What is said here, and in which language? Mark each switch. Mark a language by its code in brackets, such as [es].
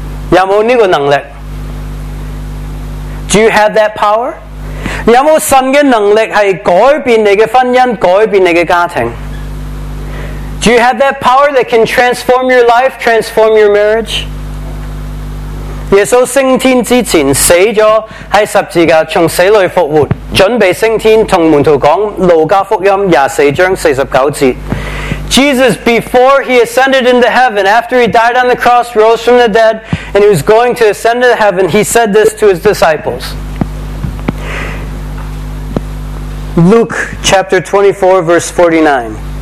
[yue] 有冇呢个能力? [en] Do you have that power? [yue] 有冇神嘅能力系改变你嘅婚姻，改变你嘅家庭? [en] Do you have that power that can transform your life, transform your marriage? [yue] 耶稣升天之前死咗喺十字架，从死里复活，准备升天，同门徒讲《路加福音》24:49。 [en] Jesus, before he ascended into heaven, after he died on the cross, rose from the dead, and he was going to ascend to heaven, he said this to his disciples. Luke 24:49.